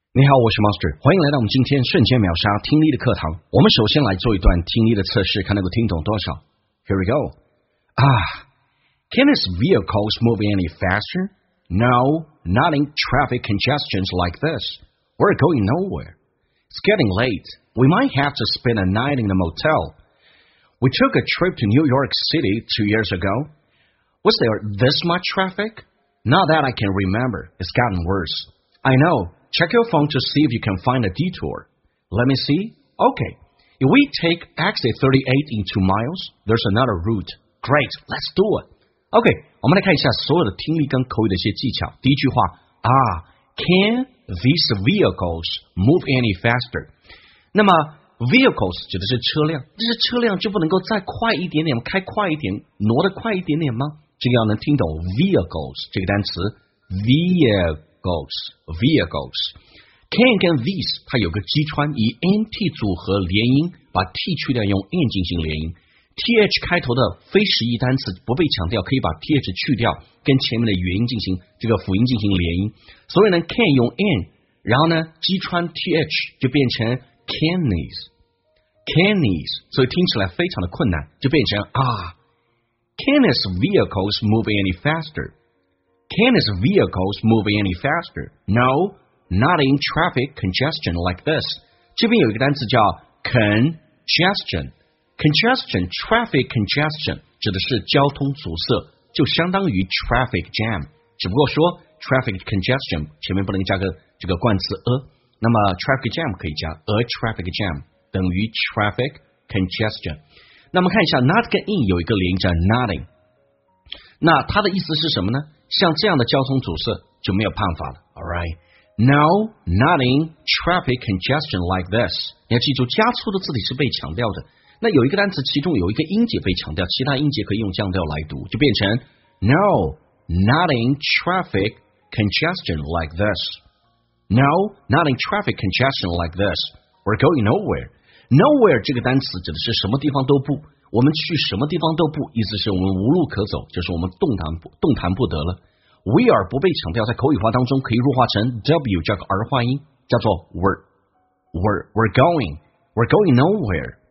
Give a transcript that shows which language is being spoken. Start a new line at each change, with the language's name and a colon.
Chinese: 你好，我是 Monster， 欢迎来到我们今天瞬间秒杀听力的课堂。我们首先来做一段听力的测试，看能够听懂多少。
English: Here we go. Can this vehicle move any faster? No, not in traffic congestions like this. We're going nowhere. It's getting late. We might have to spend a night in the motel. We took a trip to New York City 2 years ago. Was there this much traffic? Not that I can remember. It's gotten worse. I know. Check your phone to see if you can find a detour. Let me see. Okay. If we take exit 38 in 2 miles, there's another route. Great. Let's do it. Okay.
Chinese: 我们来看一下所有的听力跟口语的一些技巧。第一句话
English: Can these vehicles move any faster?
Chinese: 那么 vehicles 指的是车辆。这是车辆就不能够再快一点点，开快一点，挪得快一点点吗？这个要能听懂 vehicles 这个单词。
English: Vehicles.
Chinese: Can 跟 these 它有个击穿，以 NT 组合连音，把 T 去掉，用 N 进行连音。 TH 开头的非实义单词不被强调，可以把 TH 去掉，跟前面的元音进行这个辅音进行连音。所以呢 Can 用 N， 然后呢击穿 TH 就变成
English: Can these 所以听起来非常的困难，就变成Can these vehicles move any fasterCan his vehicles move any faster? No, not in traffic congestion like this.
Chinese: 这边有一个单词叫 congestion. Congestion, traffic congestion, 指的是交通阻塞，就相当于 traffic jam. 只不过说 traffic congestion 前面不能加个这个冠词那么 traffic jam 可以加 a traffic jam 等于 traffic congestion. 那么看一下 not 跟 in 有一个连叫 nothing. 那它的意思是什么呢？像这样的交通阻塞就没有办法了 ，Alright?
English: No, not in traffic congestion like this.
Chinese: 你要记住，加粗的字体是被强调的。那有一个单词，其中有一个音节被强调，其他音节可以用降调来读，就变成
English: No, not in traffic congestion like this. No, not in traffic congestion like this. We're going nowhere.
Chinese: Nowhere 这个单词指的是什么地方都不。我们去什么地方都不，意思是我们无路可走，就是我们动弹不得了。 We are 不被强调，在口语化当中可以弱化成 W 加个儿化音，叫做
English: We're going nowhere.